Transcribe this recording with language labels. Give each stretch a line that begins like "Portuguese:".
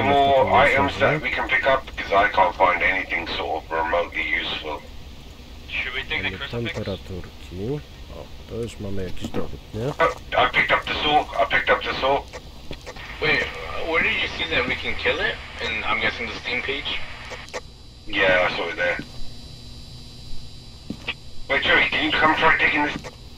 English: Any more items that we can pick up? Because I can't find anything sort of remotely useful. Should we take the crucifix?
Polish: Temperaturki. O, to już mamy jakiś dowód, nie?
English: I picked up the saw. Wait, where did you see that we can kill it? And I'm guessing the Steam page? Yeah, I saw it there. Wait, Joey, can you come try taking this?